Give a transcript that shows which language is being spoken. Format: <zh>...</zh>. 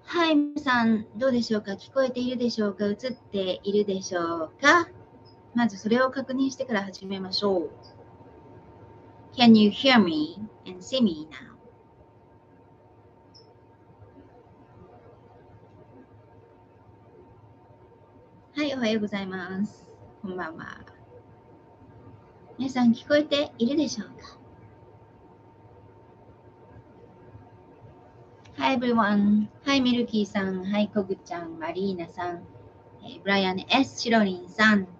<ja>イムさん、どうでしょうか。聞こえているでしょうか。映っているでしょうか。まずそれを確認してから始めましょう。</ja> <en>Can you hear me and see me now?</en> <ja>はい、おはようございます。こんばんは。皆さん聞こえているでしょうか。</ja> <en>Hi everyone. Hi ミルキーさん。はい、コグちゃん。マリーナさん。ブライアン S. シロリンさん。</en>